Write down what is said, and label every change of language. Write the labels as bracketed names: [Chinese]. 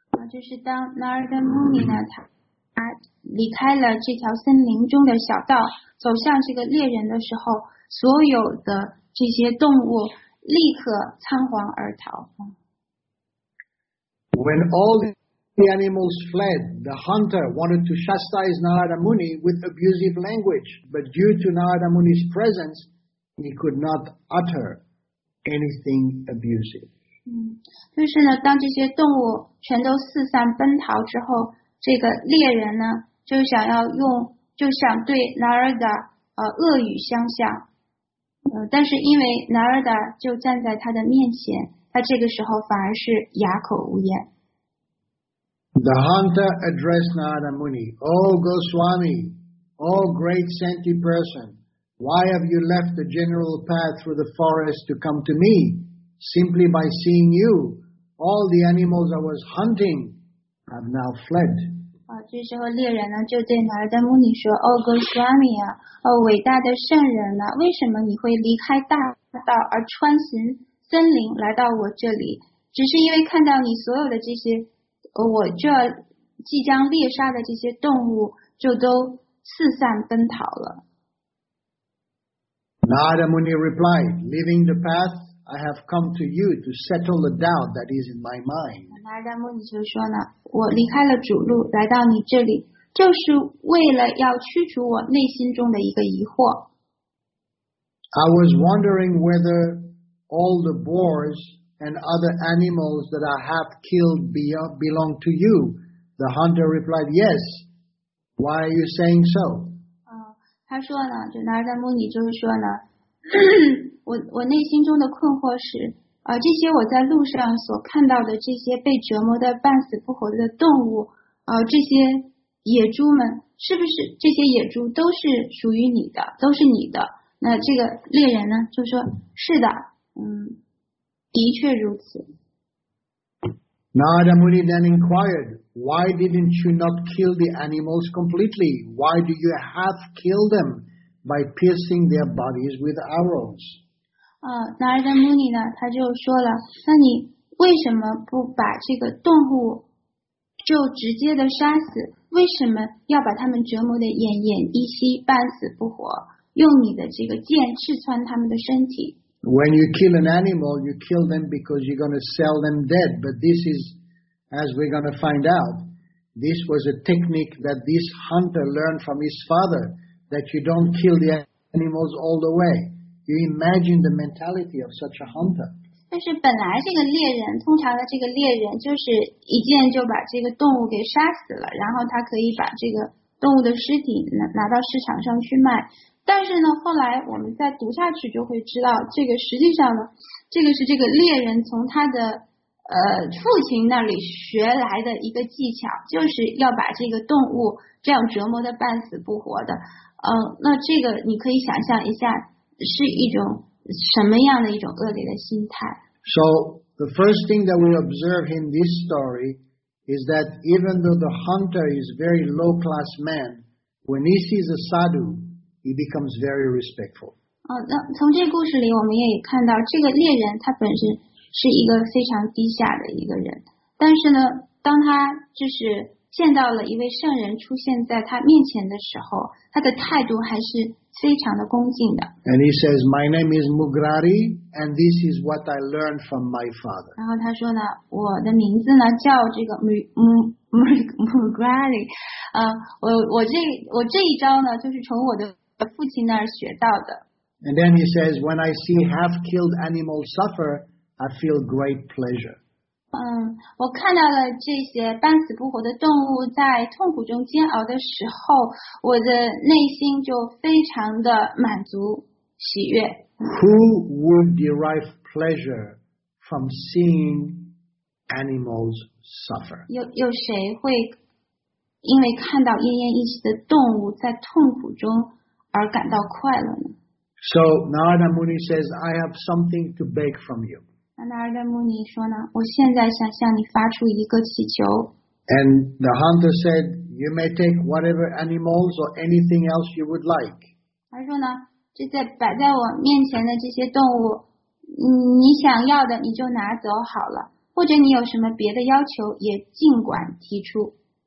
[Chinese] 就是当 Narada Muni 呢，他。离开了这条森林中的小道，走向这个猎人的时候，所有的这些动物立刻仓皇而逃。 [English] When all the animals fled, the hunter wanted to chastise Narada Muni with abusive language, but due to Narada Muni's presence, he could not utter anything abusive. [Chinese] 就是呢，当这些动物全都四散奔逃之后，这个猎人呢，就想对 Narada 恶语相向，但是因为 Narada 就站在他的面前，他这个时候反而是哑口无言。 [English] The hunter addressed Narada Muni, "Oh Goswami, oh great sentient person, why have you left the general path through the forest to come to me? Simply by seeing you, all the animals I was hunting have now fled." [Chinese] 这时候猎人呢就对 Narada Muni 说，哦 Goswami 啊，哦伟大的圣人啊，为什么你会离开大道而穿行森林来到我这里，只是因为看到你所有的这些我这即将猎杀的这些动物就都四散奔逃了。 [English] Narada Muni replied, "Leaving the path, I have come to you to settle the doubt that is in my mind." [Chinese] 那达摩尼就说呢，我离开了主路来到你这里，就是为了要驱除我内心中的一个疑惑。 [English] I was wondering whether all the boars and other animals that I have killed belong to you. The hunter replied, "Yes. Why are you saying so?" [Chinese] 他说呢，就那达摩尼就是说呢，我内心中的困惑是，这些我在路上所看到的这些被折磨的半死不活的动物，这些野猪们，是不是这些野猪都是属于你的，都是你的？那这个猎人呢，就说，是的，的确如此。 [English] Narada Muni then inquired, why didn't you not kill the animals completely? Why do you have killed them by piercing their bodies with arrows? [Chinese] Narada Muni 呢他就说了，那你为什么不把这个动物就直接的杀死，为什么要把他们折磨得奄奄一息半死不活，用你的这个剑刺穿他们的身体。 [English] When you kill an animal, you kill them because you're going to sell them dead. But this is, as we're going to find out, this was a technique that this hunter learned from his father, that you don't kill the animals all the way. You imagine the mentality of such a hunter. [Chinese] 但是本来这个猎人，通常的这个猎人就是一剑就把这个动物给杀死了，然后他可以把这个动物的尸体 拿到市场上去卖。但是呢，后来我们再读下去就会知道，这个实际上呢，这个是这个猎人从他的父亲那里学来的一个技巧，就是要把这个动物这样折磨得半死不活的。那这个你可以想象一下，是一种什么样的一种恶劣的心态。 [English] So the first thing that we observe in this story is that even though the hunter is very low class man, when he sees a sadhu,He becomes very respectful. [Chinese] 那从这个故事里我们也看到这个猎人他本身是一个非常低下的一个人。但是呢当他就是见到了一位圣人出现在他面前的时候他的态度还是非常的恭敬的。 [English] And he says, my name is Mugrari, and this is what I learned from my father. [Chinese] 然后他说呢我的名字呢叫这个 Mugrari. 我这一招呢就是从我的父亲那儿学到的。 [English] And then he says, when I see half-killed animals suffer, I feel great pleasure. [Chinese] 我看到了这些半死不活的动物在痛苦中煎熬的时候，我的内心就非常的满足喜悦。 [English] Who would derive pleasure from seeing animals suffer? [Chinese] 有谁会因为看到奄奄一息的动物在痛苦中而感到快乐呢？ [English] So Narada Muni says, I have something to beg from you. [Chinese] Narada Muni 说呢，我现在想向你发出一个祈求。 [English] And the hunter said, you may take whatever animals or anything else you would like. [Chinese] 他说呢，这些摆在我面前的这些动物，你想要的你就拿走好了，或者你有什么别的要求也尽管提出。